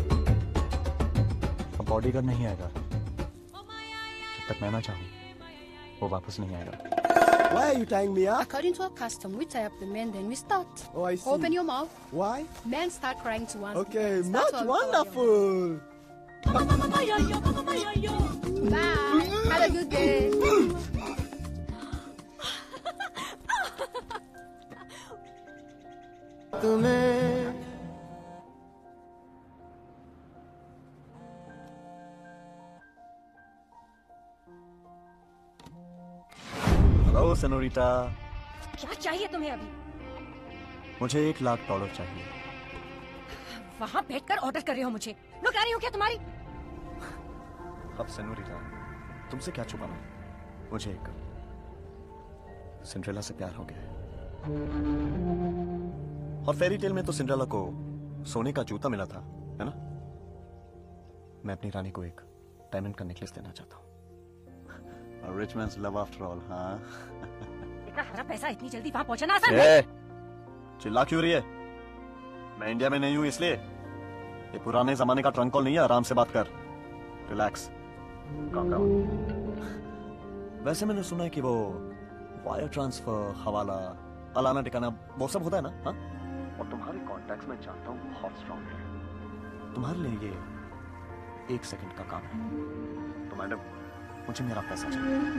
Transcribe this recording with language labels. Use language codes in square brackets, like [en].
[hi] नहीं आएगा जब तक मैं ना चाहूं, वो वापस नहीं आएगा। [en] Why are you tying me up? According to our custom, we tie up the men, then we start. Oh, I see. Open your mouth. Why? Men start crying to one. Okay, much wonderful. Bye. Have a good day. [hi] Senorita, क्या चाहिए तुम्हें अभी? मुझे $1,00,000 चाहिए। वहाँ बैठकर order कर रहे हो मुझे? लुक आ रही हो क्या तुम्हारी? अब सेनोरिटा, तुमसे क्या छुपाना? मुझे एक सिंड्रेला से प्यार हो गया है। और फेरी टेल में तो सिंड्रेला को सोने का जूता मिला था, है ना? मैं अपनी रानी को एक डायमंड का नेकलेस देना चाहता हूँ। [en] A rich man's love after all, हाँ। [hi] इतना सारा पैसा इतनी जल्दी वहाँ पहुँचना आसान है? चिल्ला क्यों रही है? मैं इंडिया में नहीं हूँ इसलिए। ये पुराने ज़माने का ट्रंक कॉल नहीं है, आराम से बात कर। [en] Relax, calm down। [hi] वैसे मैंने सुना है कि वो वायर ट्रांसफर, हवाला, अलाना ठिकाना, वो सब होता है ना? हाँ? और तुम्हारे कॉन्टैक्ट्स मैं जानता हूँ बहुत स्ट्रॉन्ग है। तुम्हारे लिए ये एक सेकंड का काम है। तो मैडम मुझे मेरा पैसा चाहिए।